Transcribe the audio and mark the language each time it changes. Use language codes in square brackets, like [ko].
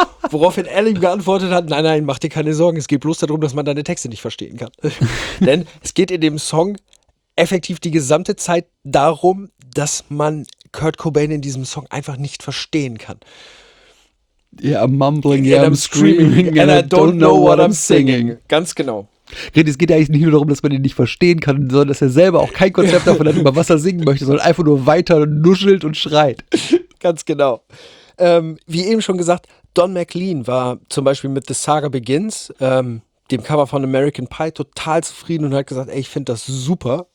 [de] Woraufhin Al ihm geantwortet hat, nein, nein, mach dir keine Sorgen, es geht bloß darum, dass man deine Texte nicht verstehen kann. Denn es geht in dem Song effektiv die gesamte Zeit darum, dass man Kurt Cobain in diesem Song einfach nicht verstehen kann. [en] Yeah, I'm mumbling, yeah, I'm screaming, and I don't know what I'm singing. [de] Ganz genau. Es geht ja eigentlich nicht nur darum, dass man ihn nicht verstehen kann, sondern dass er selber auch kein Konzept davon hat, über was er singen möchte, sondern einfach nur weiter nuschelt und schreit. Ganz genau. Wie eben schon gesagt, Don McLean war zum Beispiel mit The Saga Begins, dem Cover von American Pie, total zufrieden und hat gesagt, ey, ich finde das super.